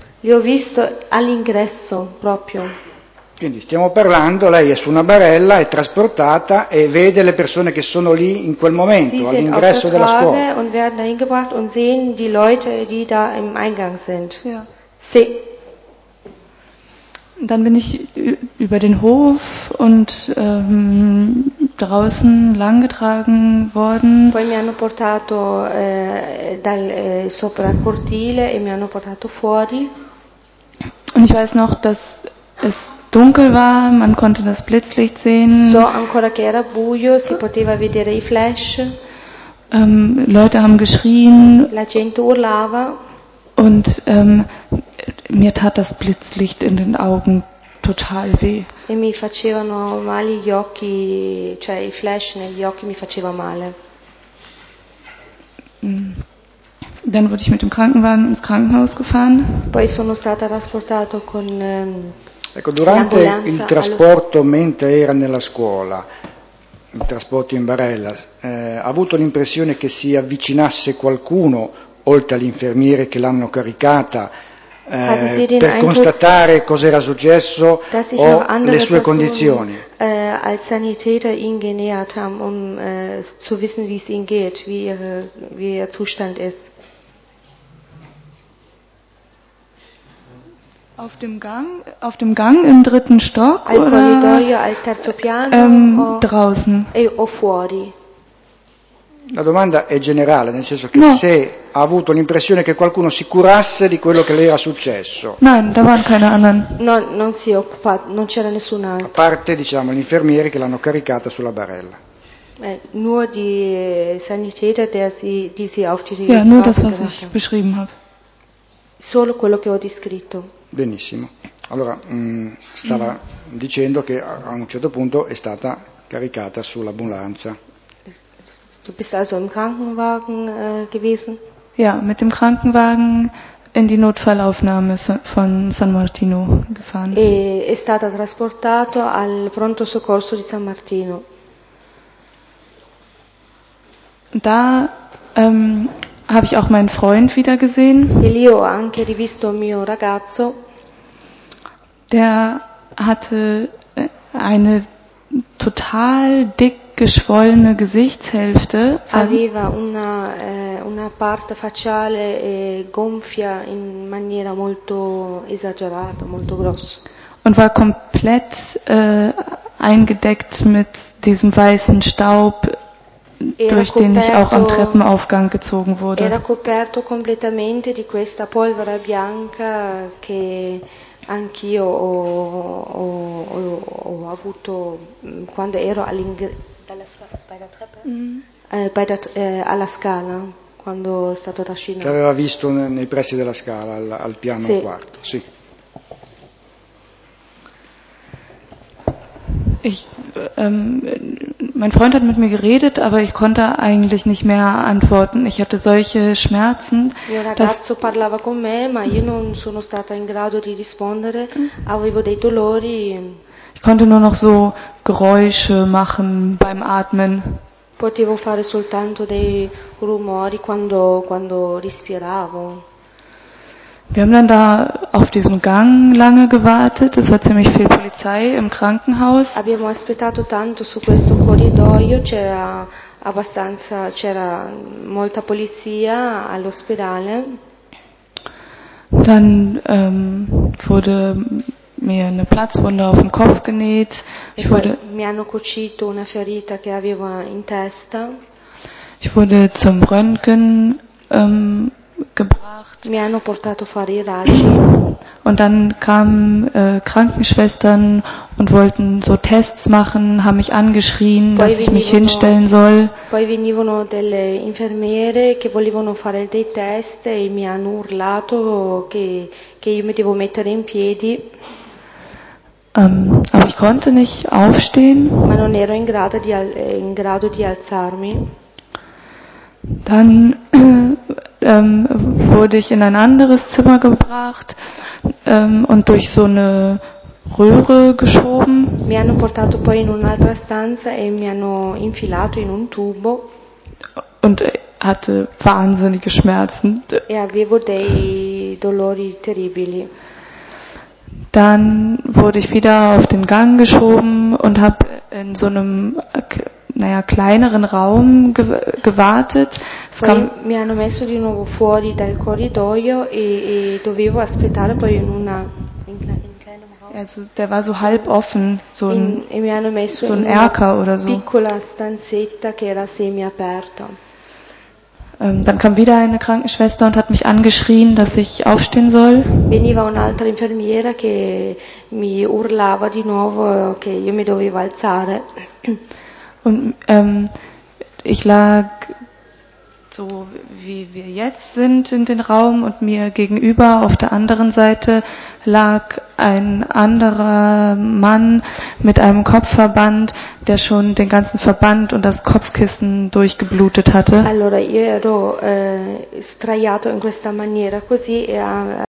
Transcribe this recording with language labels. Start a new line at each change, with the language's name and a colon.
Italian: Li ho visto all'ingresso proprio. Quindi stiamo parlando, lei è su una barella, è trasportata e vede le persone che sono lì in quel momento,
German: sie
Italian: all'ingresso della scuola.
German: Und werden dahin gebracht und sehen die Leute, die da im Eingang sind. Ja.
Italian: Sì.
German: Dann bin ich über den Hof und draußen langgetragen worden.
Italian: Poi mi hanno portato dal sopra il cortile e mi hanno portato fuori.
German: Und ich weiß noch, dass es dunkel war, man konnte das Blitzlicht sehen.
Italian: So ancora che era buio, si poteva vedere i flash.
German: Leute haben geschrien.
Italian: La gente urlava.
German: Und mir tat das Blitzlicht in den Augen total weh.
Italian: E mi facevano male gli occhi, cioè i flash negli occhi mi faceva male.
German: Dann wurde ich mit dem Krankenwagen ins Krankenhaus gefahren.
Italian: Poi sono stata trasportato con ecco, durante il trasporto mentre era nella scuola, il trasporto in barella, ha avuto l'impressione che si avvicinasse qualcuno oltre all'infermiere che l'hanno caricata per constatare cosa era successo o le sue condizioni.
German: Als Sanitäter ihn genähert haben, um zu wissen, wie es ihm geht, wie ihr Zustand ist. Auf dem Gang im dritten Stock
Italian: al
German: oder
Italian: corridoio, al terzo piano,
German: draußen
Italian: o fuori. La domanda è generale, nel senso che no. Se ha avuto l'impressione che qualcuno si curasse di quello che le era successo.
German: Nein, da waren keine anderen.
Italian: No, non si è occupato, non c'era nessun altro. A parte, diciamo, gli infermieri che l'hanno caricata sulla barella.
German: Nur die Sanitäter, die sie auf die Ja, nur das, was ich beschrieben habe.
Italian: Solo quello che ho descritto. Benissimo. Allora, stava dicendo che a un certo punto è stata caricata sull'ambulanza.
German: Du bist also im Krankenwagen gewesen? Ja, mit dem Krankenwagen in die Notfallaufnahme von San Martino gefahren.
Italian: E è stata trasportato al pronto soccorso di San Martino.
German: Da habe ich auch meinen Freund wieder gesehen.
Italian: E lì ho anche rivisto mio ragazzo.
German: Der hatte eine total dick geschwollene Gesichtshälfte.
Italian: Aveva una parte facciale gonfia in maniera molto esagerata, molto grossa.
German: Und war komplett eingedeckt mit diesem weißen Staub, durch den ich auch am Treppenaufgang gezogen wurde.
Italian: Era coperto completamente di questa polvere bianca che anch'io ho avuto quando ero alla scala quando è stato trascinato. L'aveva visto nei pressi della scala al piano sì. Quarto, sì.
German: Mein Freund hat mit mir geredet, aber ich konnte eigentlich nicht mehr antworten. Ich hatte solche Schmerzen.
Italian: Mio ragazzo parlava con me, ma io non sono stata in grado di rispondere. Avevo dei dolori.
German: Ich konnte nur noch so Geräusche machen beim Atmen.
Italian: Potevo fare soltanto dei rumori quando respiravo.
German: Wir haben dann da auf diesem Gang lange gewartet. Es war ziemlich viel Polizei im Krankenhaus.
Italian: Abbiamo aspettato tanto su questo corridoio. C'era abbastanza, c'era molta polizia all'ospedale.
German: Dann wurde mir eine Platzwunde auf den Kopf genäht.
Italian: Mi hanno cucito una ferita che avevo in testa.
German: Ich wurde zum Röntgen gebracht.
Italian: Mi hanno portato fare i raggi.
German: Und dann kamen Krankenschwestern und wollten so Tests machen, haben mich angeschrien,
Italian: poi
German: dass ich mich hinstellen soll.
Italian: Poi venivano delle infermiere che volevano fare dei test e mi hanno urlato che io mi devo mettere in piedi.
German: Aber ich konnte nicht aufstehen.
Italian: Ma non ero in grado di alzarmi.
German: Dann wurde ich in ein anderes Zimmer gebracht und durch so eine Röhre geschoben.
Italian: Mi hanno portato poi in un'altra stanza e mi hanno infilato in un tubo.
German: Und hatte wahnsinnige Schmerzen.
Italian: E avevo dei dolori terribili.
German: Dann wurde ich wieder auf den Gang geschoben und habe in so einem kleineren Raum gewartet. Es kam,
Italian: mi hanno messo di nuovo fuori dal corridoio e dovevo aspettare poi in
German: kleinem Raum. Also der war so halb offen, so ein
Italian: in, mi hanno messo
German: so ein Erker oder so.
Italian: Piccola stanzetta che era semi aperta.
German: Dann kam wieder eine Krankenschwester und hat mich angeschrien, dass ich aufstehen soll.
Italian: Veniva un'altra infermiera che mi urlava di nuovo che io mi dovevo alzare.
German: Und ich lag so, wie wir jetzt sind, in den Raum und mir gegenüber auf der anderen Seite lag ein anderer Mann mit einem Kopfverband, der schon den ganzen Verband und das Kopfkissen durchgeblutet hatte.
Italian: Allora, io ero, straiato in questa maniera, così e